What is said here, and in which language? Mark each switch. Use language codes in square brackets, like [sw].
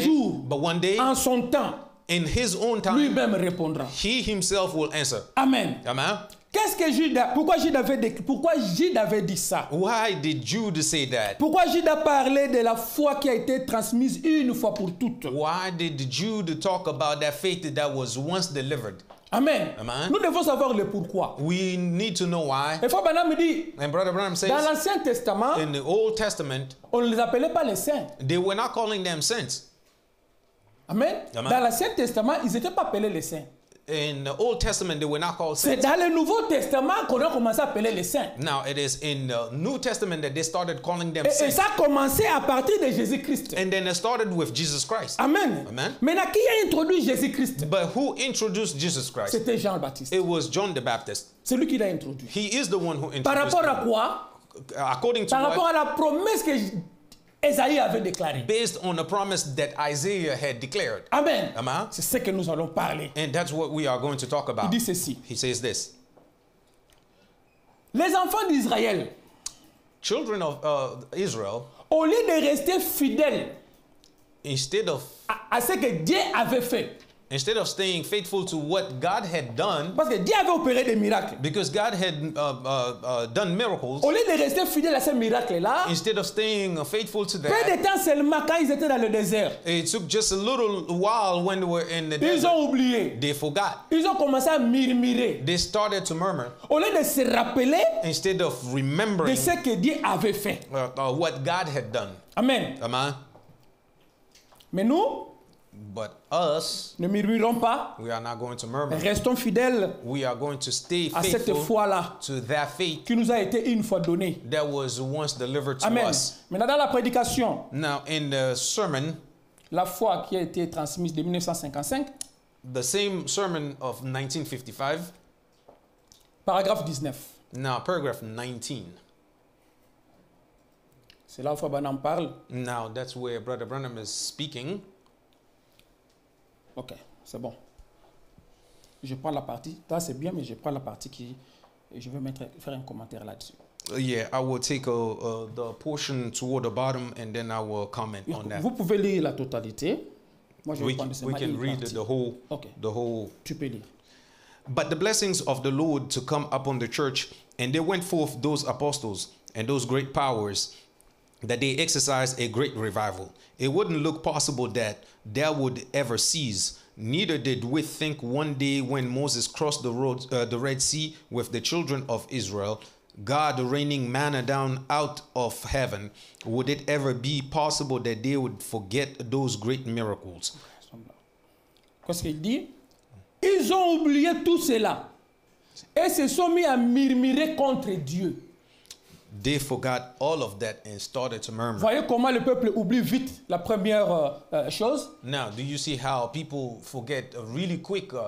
[fr] jour, [en] take. But one day, [fr] en son temps, [en] in his own time, [fr] lui-même répondra. [en] He himself will answer. [fr] Amen. [en] Amen. [fr] Qu'est-ce que Jude avait dit ça? [en] Why did Jude say that? [fr] Pourquoi Jude a parlé de la foi qui a été transmise une fois pour toutes? [en] Why did Jude talk about that faith that was once delivered? [fr] Amen. [en] Amen. [fr] Nous devons savoir le pourquoi. [en] We need to know why. [fr] Et Frère Branham dit, [en] and Brother Branham says, [fr] dans l'Ancien Testament, [en] in the Old Testament, [fr] on ne les appelait pas les saints. [en] They were not calling them saints. [fr] Amen. [en] Amen. [fr] Dans l'Ancien Testament, ils n'étaient pas appelés les saints. [en] In the Old Testament, they were not called saints. [fr] C'est dans le Nouveau Testament qu'on a commencé à appeler les saints. [en] Now, it is in the New Testament that they started calling them saints. [fr] Et ça a commencé à partir de Jésus-Christ. [en] And then it started with Jesus Christ. [fr] Amen. [en] Amen. [fr] Maintenant, qui a introduit Jésus-Christ? [en] But who introduced Jesus Christ? [fr] C'était Jean le Baptiste. [en] It was John the Baptist. [fr] C'est lui qui l'a introduit. [en] He is the one who introduced. [fr] Par rapport à quoi? [en] According to [fr] par [en] what? [fr] Rapport à la promesse que Esaïe avait déclaré. [en] Based on a promise that Isaiah had declared. [fr] Amen. [en] Amen. [fr] C'est ce que nous allons parler. [en] And that's what we are going to talk about. [fr] Il dit ceci. [en] He says this. [fr] Les enfants d'Israël. [en] Children of Israel. [fr] Au lieu de rester fidèles. [en] Instead of. [fr] À ce que Dieu avait fait. [en] Instead of staying faithful to what God had done. [fr] Parce que Dieu avait opéré des miracles. [en] Because God had done miracles. [fr] Au lieu de rester fidèle à ces miracles-là. [en] Instead of staying faithful to that. [fr] Peu de temps seulement quand ils étaient dans le désert. [en] It took just a little while when they were in the [fr] ils [en] desert. [fr] Ils ont oublié. [en] They forgot. [fr] Ils ont commencé à murmurer. [en] They started to murmur. [fr] Au lieu de se rappeler. [en] Instead of remembering. [fr] De ce que Dieu avait fait. [en] What God had done. [fr] Amen. [en] Amen. [fr] Mais nous. [en] But us, [fr] ne murmurons pas. [en] We are not going to murmur. [fr] Restons fidèles. [en] We are going to stay faithful [fr] à cette foi-là [en] to that faith [fr] qui nous a été une fois donnée. [en] That was once delivered to [fr] Amen. [en] Us. [fr] Maintenant, dans la prédication, [en] now in the sermon, [fr] la foi qui a été transmise de 1955, [en] the same sermon of 1955, [fr] paragraphe 19. [en] Now paragraph 19. [fr] C'est là où Frère Branham parle. [en] Now that's where Brother Branham is speaking. [fr] Ok, c'est bon. Je prends la partie. Là, c'est bien, mais je prends la partie qui. Je vais mettre, faire un commentaire là-dessus. [en] Yeah, I will take the portion toward the bottom and then I will comment on that. [fr] Vous pouvez lire la totalité. Moi, je vais prendre seulement une partie. [en] We can read the whole. [fr] Tu peux lire. [en] But the blessings of the Lord to come upon the church, and they went forth those apostles and those great powers, that they exercised a great revival. It wouldn't look possible that that would ever cease. Neither did we think one day when Moses crossed the Red Sea with the children of Israel, God raining manna down out of heaven, would it ever be possible that they would forget those great miracles? [fr] Qu'est-ce qu'il dit? Ils ont oublié tout cela et se sont mis à murmurer contre Dieu. [en] They forgot all of that and started to murmur. [fr] Voyez comment le peuple oublie vite la première chose. [en] Now, do you see how people forget really quick?